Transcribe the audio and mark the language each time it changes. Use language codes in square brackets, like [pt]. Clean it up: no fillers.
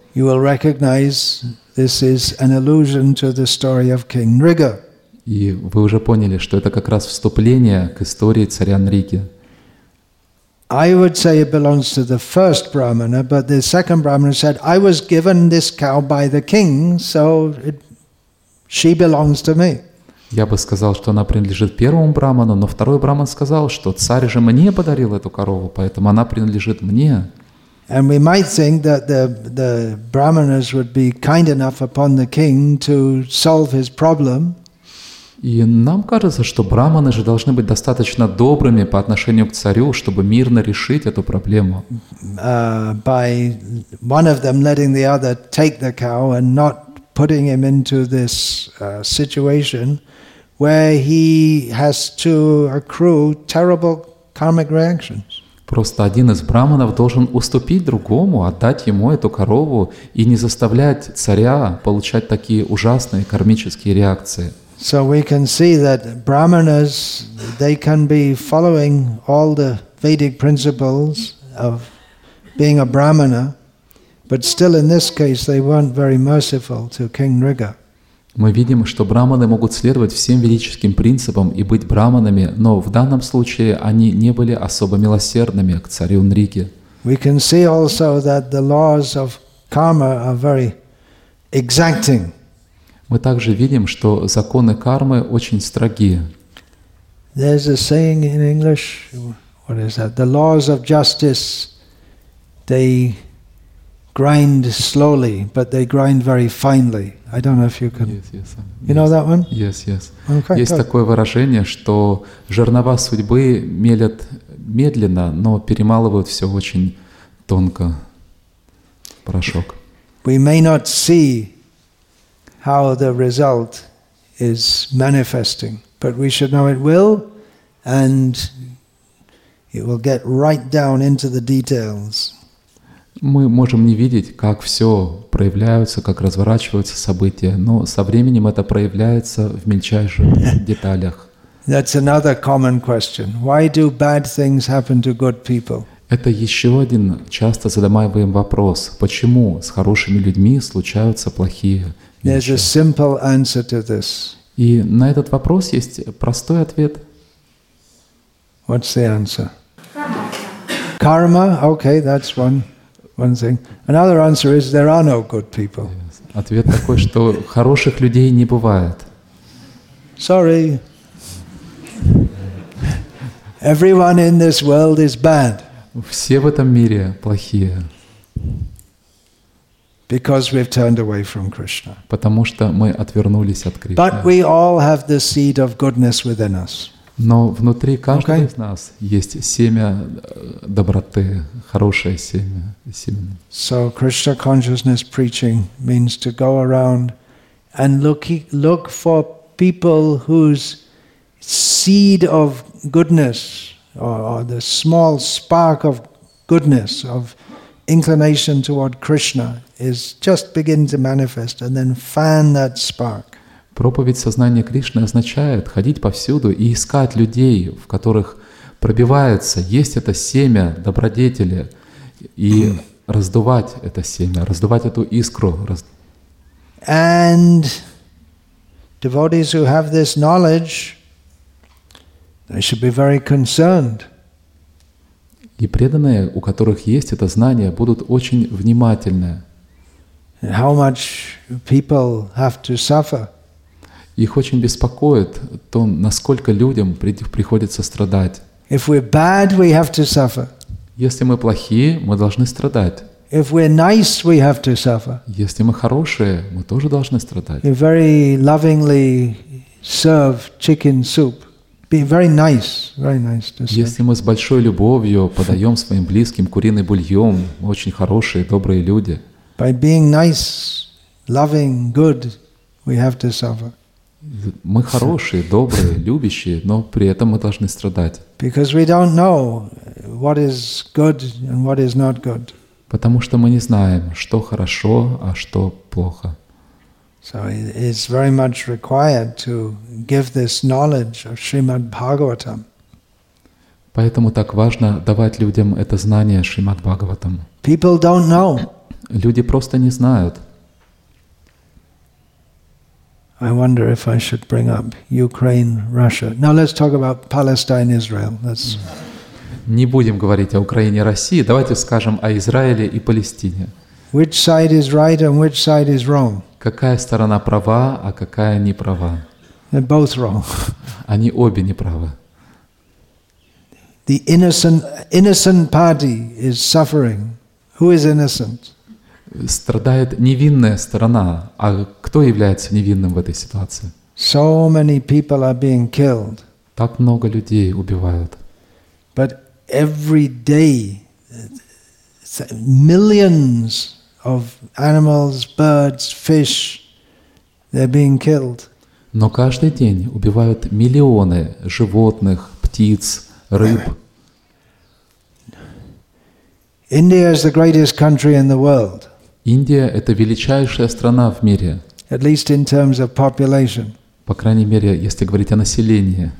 [en] You will recognize this is an allusion to the story of King Nriga. [ru] И вы уже поняли, что это как раз вступление к истории царя Нриги. [en] I would say it belongs to the first brahmana, but the second brahmana said, I was given this cow by the king, so she belongs to me. [ru] Я бы сказал, что она принадлежит первому брахману, но второй брахман сказал, что царь же мне подарил эту корову, поэтому она принадлежит мне. [en] And we might think that the brahmanas would be kind enough upon the king to solve his problem. [ru] И нам кажется, что брахманы же должны быть достаточно добрыми по отношению к царю, чтобы мирно решить эту проблему. [en] By one of them letting the other take the cow and not putting him into this situation where he has to accrue terrible karmic reactions. [ru] Просто один из брахманов должен уступить другому, отдать ему эту корову и не заставлять царя получать такие ужасные кармические реакции. [en] So we can see that brahmanas, they can be following all the Vedic principles of being a brahmana, but still in this case they weren't very merciful to King Nriga. [ru] Мы видим, что браманы могут следовать всем ведическим принципам и быть браманами, но в данном случае они не были особо милосердными к царю Нрике. [en] We can see also that the laws of karma are very exacting. [ru] Мы также видим, что законы кармы очень строги. [en] There's a saying in English, what is that? The laws of justice, they grind slowly, but they grind very finely. I don't know if you can... Yes. You know that one? Yes. Okay, [ru] есть такое выражение, что жернова судьбы мелят медленно, но перемалывают все очень тонко, порошок. [en] We may not see how the result is manifesting, but we should know it will, and it will get right down into the details. [ru] Мы можем не видеть, как все проявляются, как разворачиваются события, но со временем это проявляется в мельчайших деталях. [en] That's another common question. Why do bad things happen to good people? [ru] Это еще один часто задаваемый вопрос. Почему с хорошими людьми случаются плохие вещи? [en] There's a simple answer to this. [ru] И на этот вопрос есть простой ответ. [en] What's the answer? Karma. Okay, that's one thing. Another answer is there are no good people. [ru] Ответ такой, что хороших людей не бывает. [en] Sorry. Everyone in this world is bad. [ru] Все в этом мире плохие. [en] Because we've turned away from Krishna. [ru] Потому что мы отвернулись от Кришны. [en] But we all have the seed of goodness within us. [ru] Но внутри каждого из нас есть семя доброты, хорошее семя. [en] So Krishna consciousness preaching means to go around and look for people whose seed of goodness or the small spark of goodness of inclination toward Krishna is just begin to manifest and then fan that spark. [ru] Проповедь сознания Кришны означает ходить повсюду и искать людей, в которых пробивается, есть это семя добродетели, и раздувать это семя, раздувать эту искру. [en] And devotees who have this knowledge, they should be very concerned. [ru] И преданные, у которых есть это знание, будут очень внимательны. [en] How much people have to suffer? [ru] Их очень беспокоит то, насколько людям приходится страдать. [en] If we're bad, we have to suffer. [ru] Если мы плохие, мы должны страдать. [en] If we're nice, we have to suffer. [ru] Если мы хорошие, мы тоже должны страдать. [en] We very lovingly serve chicken soup. Be very nice to say. [ru] Если мы с большой любовью подаем своим близким куриный бульон, мы очень хорошие, добрые люди. [en] By being nice, loving, good, we have to suffer. [ru] Мы хорошие, добрые, любящие, но при этом мы должны страдать. [en] Because we don't know what is good and what is not good. [ru] Потому что мы не знаем, что хорошо, а что плохо. [en] So it's very much required to give this knowledge of Srimad Bhagavatam. [ru] Поэтому так важно давать людям это знание Шримад Бхагаватам. [en] People don't know. [ru] Люди просто не знают. [en] I wonder if I should bring up Ukraine, Russia. Now let's talk about Palestine, Israel. That's... [ru] Не будем говорить о Украине, России. Давайте скажем о Израиле и Палестине. [en] Which side is right and which side is wrong? [ru] Какая сторона права, а какая не права? [en] They're both wrong. [ru] Они обе не правы. [en] The innocent party is suffering. Who is innocent? [ru] Страдает невинная сторона, а кто является невинным в этой ситуации? [en] So many people are being killed. [ru] Так много людей убивают. [en] But every day millions of animals, birds, fish, they're being killed. [ru] Но каждый день убивают миллионы животных, птиц, рыб. [en] India is the greatest country in the world. [ru] Индия — это величайшая страна в мире. [en] At least in terms of population. [ru] По крайней мере, если говорить о населении.